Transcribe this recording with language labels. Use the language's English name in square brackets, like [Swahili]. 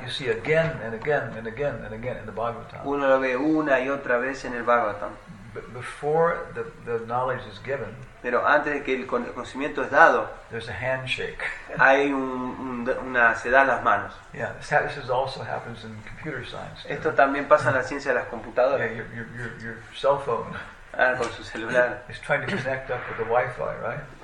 [English] You see again and again and again and again in the Bhagavatam. [Spanish] Uno lo ve una y otra vez en el Bhagavatam. [English] Before the knowledge is given. [Spanish] Pero antes de que el conocimiento es dado, [English] there's a handshake. [Spanish] Hay se dan las manos. [English] Yeah, this also happens in computer science. [Spanish] Esto también pasa en la ciencia de las computadoras. [English] Yeah, your cell phone. [Spanish] Con su celular. [English] It's trying to connect up with the Wi-Fi, right?